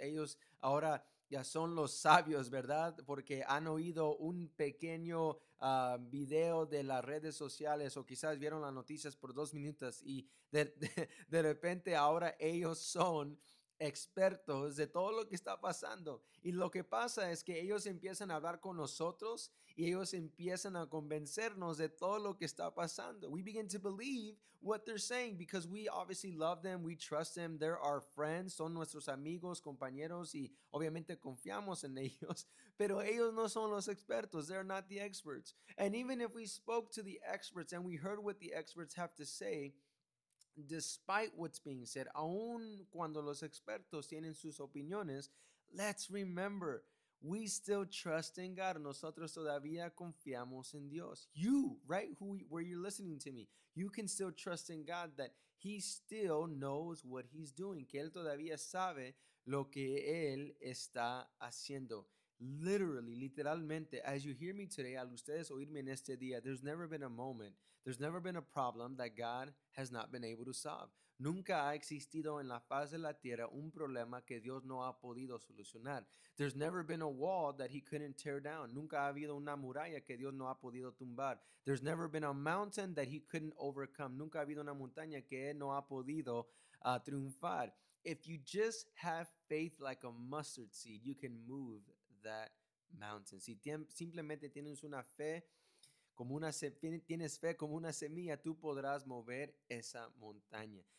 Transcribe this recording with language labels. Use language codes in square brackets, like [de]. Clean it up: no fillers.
[es] Ellos ahora ya son los sabios, ¿verdad? Porque han oído un pequeño video de las redes sociales o quizás vieron las noticias por 2 minutos y de repente ahora ellos son expertos de todo lo que está pasando. Y lo que pasa es que ellos empiezan a hablar con nosotros y ellos empiezan a convencernos de todo lo que está pasando. [en] We begin to believe what they're saying because we obviously love them, we trust them, they're our friends, [es] son nuestros amigos, compañeros y obviamente confiamos en ellos. Pero ellos no son los expertos, [en] they're not the experts. And even if we spoke to the experts and we heard what the experts have to say, despite what's being said, [es] aun cuando los expertos tienen sus opiniones, [en] let's remember, we still trust in God. [es] Nosotros todavía confiamos en Dios. [en] You, right, where you're listening to me, you can still trust in God that he still knows what he's doing. [es] Que él todavía sabe lo que él está haciendo. [en] Literally, [es] literalmente, [en] as you hear me today, [es] al ustedes oírme en este día, [en] there's never been a moment, there's never been a problem that God has not been able to solve. [es] Nunca ha existido en la faz de la tierra un problema que Dios no ha podido solucionar. [en] There's never been a wall that he couldn't tear down. [es] Nunca ha habido una muralla que Dios no ha podido tumbar. [en] There's never been a mountain that he couldn't overcome. [es] Nunca ha habido una montaña que él no ha podido triunfar. [en] If you just have faith like a mustard seed, you can move that mountain. [es] Si simplemente tienes una fe, como una tienes fe como una semilla, tú podrás mover esa montaña.